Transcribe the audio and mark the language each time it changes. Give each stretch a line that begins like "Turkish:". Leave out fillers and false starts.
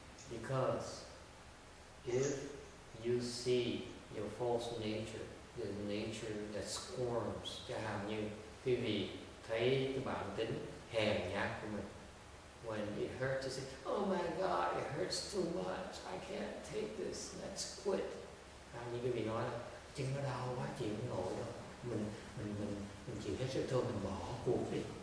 English: Because if you see your false nature, the nature that squirms,
Vietnamese: chẳng hạn như quý vị thấy cái bản tính hèn nhát của mình.
English: When it hurts, you say, oh my God, it hurts too much, I can't take this, let's quit.
Vietnamese: Hay như quý vị nói là, chân nó đau quá, chịu không nổi đâu. Mình chịu hết sức thôi, mình bỏ cuộc đi.